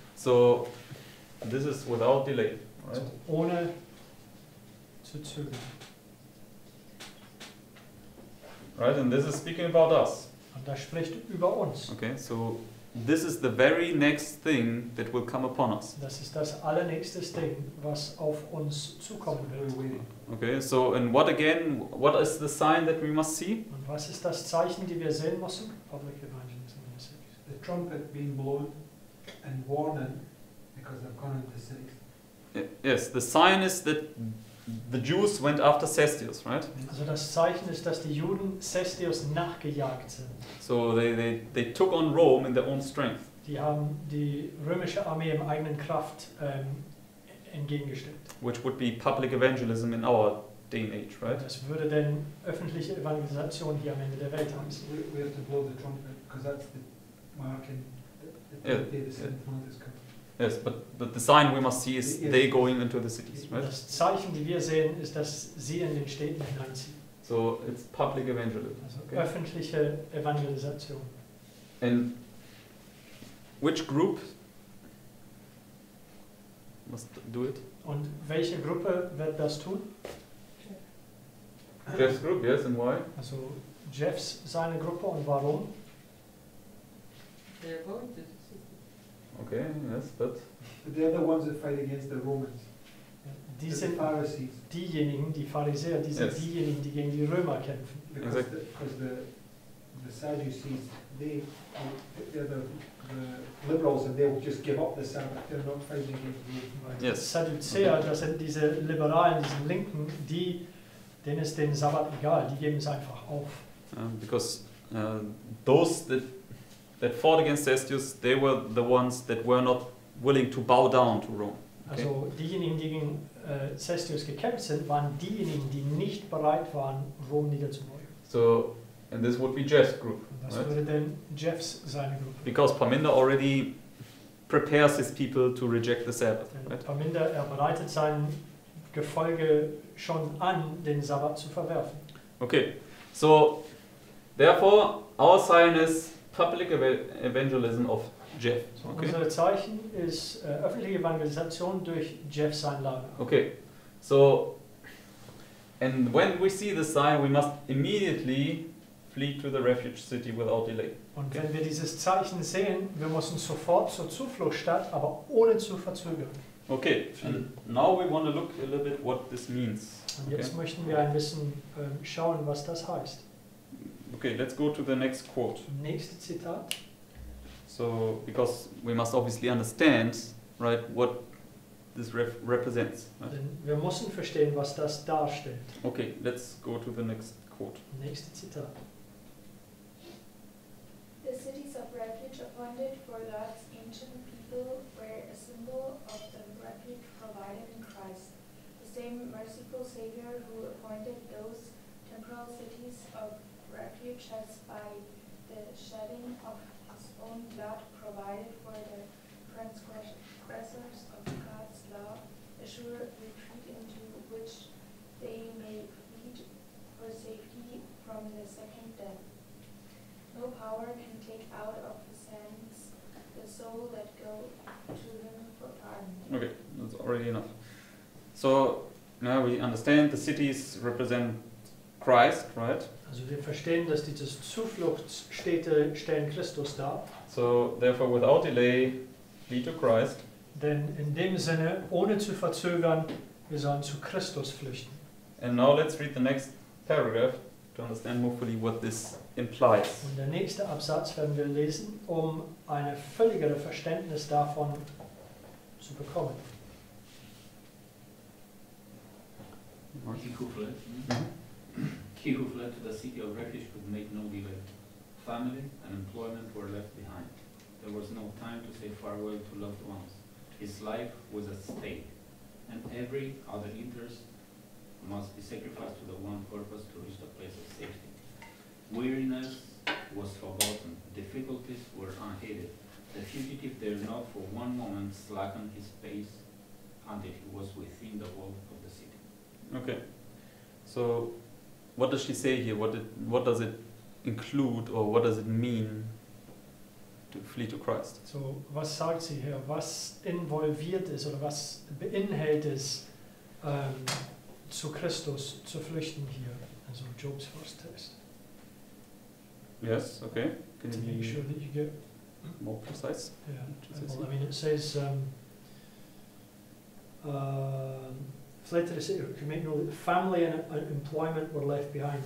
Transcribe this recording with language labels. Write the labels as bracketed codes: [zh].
[en] So, this is without delay, right? [de] So, ohne zu zögern. [en] Right, and this is speaking about us. [de] Und das spricht über uns. [en] Okay, so this is the very next thing that will come upon us. [de] Das ist das allernächste Ding, was auf uns zukommen wird. [en] Okay, so and what again, what is the sign that we must see? [de] Und was ist das Zeichen, die wir sehen müssen? [en] Public evangelism. The trumpet being blown and warning because they're coming to the city. Yes, the sign is that the Jews went after Cestius, right? [de] Also das Zeichen ist, dass die Juden Cestius nachgejagt sind. [en] So they took on Rome in their own strength. [de] Die haben die römische Armee im eigenen Kraft entgegengestellt. [en] Which would be public evangelism in our day and age, right? [de] Das würde denn öffentliche Evangelisation hier am Ende der Welt haben. [en] We have to blow the trumpet, because that's the marking, the yes, but the sign we must see is they going into the cities, right? [de] Das Zeichen, die wir sehen, ist, dass sie in den Städten hineinziehen. [en] So it's public evangelism. [de] Also [en] okay. [de] Öffentliche Evangelisation. [en] And which group must do it? [de] Und welche Gruppe wird das tun? [en] Jeff's group, yes, and why? [de] Also Jeff's seine Gruppe und warum? [en] They're going to. Okay, yes, but they are the ones that fight against the Romans. [de] Die sind [en] the Pharisees. [de] Diejenigen, die Pharisäer, die sind [en] yes. [de] diejenigen, die gegen die Römer kämpfen. [en] Because the Sadducees, they're the liberals and they will just give up the Sabbath. They're not fighting against the Romans. Yes. [de] Sadducea, okay. Das sind diese Liberalen, diese Linken, die, denen ist den Sabbat egal, die geben es einfach auf. [en] Because those that fought against Cestius, they were the ones that were not willing to bow down to Rome. Okay? [de] Also diejenigen, die gegen Cestius gekämpft sind, waren diejenigen, die nicht bereit waren, Rom niederzubeugen. [en] So, and this would be Jeff's group. [de] Das [en] right? [de] würde dann Jeff's seine Gruppe. [en] Because Parminder already prepares his people to reject the Sabbath. Right? [de] Parminder, er bereitet sein Gefolge schon an, den Sabbat zu verwerfen. [en] Okay, so therefore our sign is public evangelism of Jeff. Okay. [de] Unser Zeichen ist öffentliche Evangelisation durch Jeff sein Lager. [en] Okay, so and when we see the sign, we must immediately flee to the refuge city without delay. [de] Und [en] okay. [de] wenn wir dieses Zeichen sehen, wir müssen sofort zur Zufluchtsstadt, aber ohne zu verzögern. [en] Okay, and now we want to look a little bit what this means. [de] Und jetzt [en] okay. [de] möchten wir ein bisschen schauen, was das heißt. [en] Okay, let's go to the next quote. [de] Nächste Zitat. [en] So, because we must obviously understand, right, what this represents. Right? [de] Denn wir müssen verstehen, was das darstellt. [en] Okay, let's go to the next quote. [de] Nächste Zitat. [en] The cities of refuge appointed for God's ancient people were a symbol of the refuge provided in Christ, the same merciful Savior who appointed those temporal cities of refuge has by the shedding of his own blood provided for the transgressors of God's law a sure retreat into which they may plead for safety from the second death. No power can take out of his hands the soul that go to him for pardon. Okay, that's already enough. So now we understand the cities represent Christ, right? [de] Also wir verstehen, dass diese Zufluchtsstädte stellen Christus dar. [en] So therefore without delay lead to Christ. [de] Denn in dem Sinne, ohne zu verzögern, wir sollen zu Christus flüchten. [en] And now let's read the next paragraph to understand more fully what this implies. [de] Und der nächste Absatz werden wir lesen, um eine völligere Verständnis davon zu bekommen. [en] He who fled to the city of refuge could make no delay. Family and employment were left behind. There was no time to say farewell to loved ones. His life was at stake, and every other interest must be sacrificed to the one purpose to reach the place of safety. Weariness was forgotten. Difficulties were unheeded. The fugitive dared not for one moment slacken his pace until he was within the wall of the city. Okay. So what does she say here? What does it include, or what does it mean to flee to Christ? [de] So was sagt sie hier? Was involviert ist oder was beinhaltet es, zu Christus zu flüchten hier? [en] Also Job's first text. Yes, okay. Can to you make sure that you get more precise? Yeah. Well, I mean, it says... fled to the city, you may know that family and employment were left behind.